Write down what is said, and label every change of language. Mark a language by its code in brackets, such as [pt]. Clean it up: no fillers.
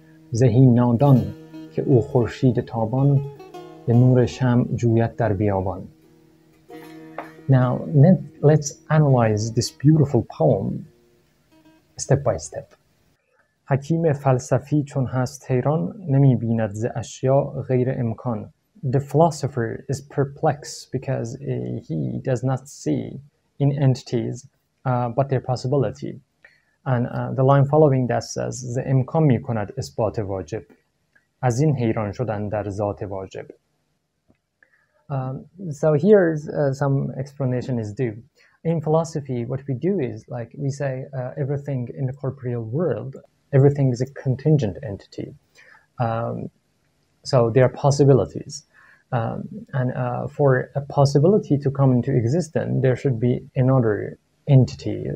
[fa] زهی نادان که او خورشید تابان، [en] Now, let's analyze this beautiful poem step by step. [fa] حکیم فلسفی چون هست تهران نمی بیند ز اشیا غیر امکان. [en] The philosopher is perplexed because he does not see in entities but their possibility. And the line following that says, [fa] ز امکان می کند اثبات واجب. از این حیران شدن در ذات واجب. [en] So here's some explanation is due. In philosophy, what we do is, like, we say everything in the corporeal world, everything is a contingent entity. So there are possibilities. For a possibility to come into existence, there should be another entity.